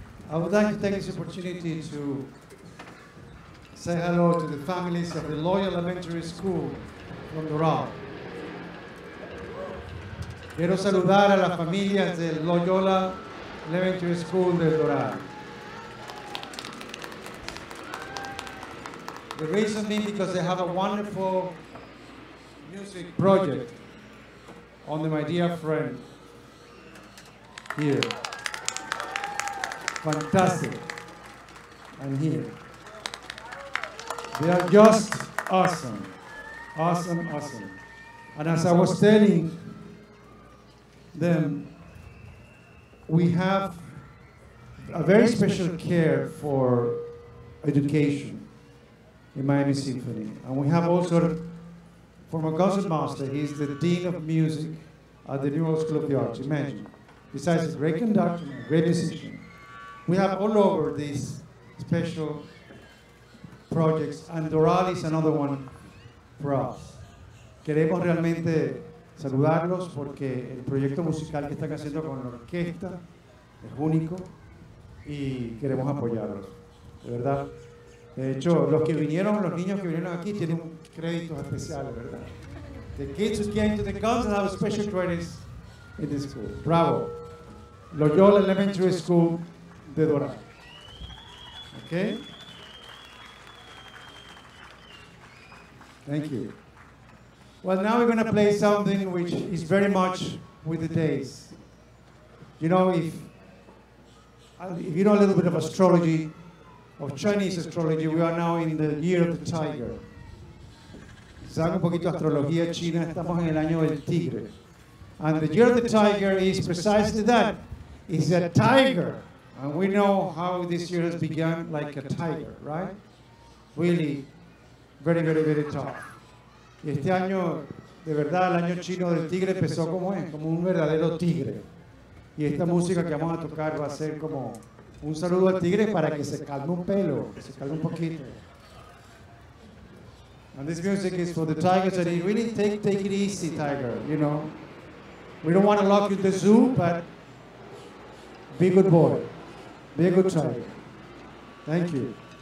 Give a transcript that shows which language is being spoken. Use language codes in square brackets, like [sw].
[en] I would like to take this opportunity to say hello to the families of the Loyal Elementary School from Doral. [es] Quiero saludar a las familias de Loyola Elementary School de Doral. [en] The reason being because they have a wonderful music project on my dear friend here. Fantastic. And here. They are just awesome. Awesome, awesome. And as I was telling them, we have a very special care for education in Miami Symphony. And we have also from a concertmaster, he's the Dean of Music at the New Orleans School of the Arts, imagine. Besides a great conductor, a great musician. We have all over these special projects, and Doral is another one for us. [es] Queremos realmente saludarlos porque el proyecto musical que están haciendo con la orquesta es único y queremos apoyarlos, de verdad. De hecho, los que vinieron, los niños que vinieron aquí tienen créditos especiales, ¿verdad? [en] The kids who came to the concert have special credits in this school. Bravo. Loyola Elementary School de Doral. Okay? Thank you. Well, now we're going to play something which is very much with the days. You know, if you know a little bit of astrology, of Chinese astrology, we are now in the year of the tiger. [es] Saben un poquito astrología china, estamos en el año del tigre. [en] And the year of the tiger is precisely that. It's a tiger. And we know how this year has begun like a tiger, right? Really, very, very, very tough. [es] Y este año, de verdad, el año chino del tigre empezó como es, como un verdadero tigre. Y esta música que vamos a tocar va a ser como un saludo al tigre para que se calme un pelo, que se calme un poquito. [en] And this music is for the tigers, and you really take it easy, tiger, you know. We don't want to lock you in the zoo, but be a good boy. Be a good tiger. Thank you.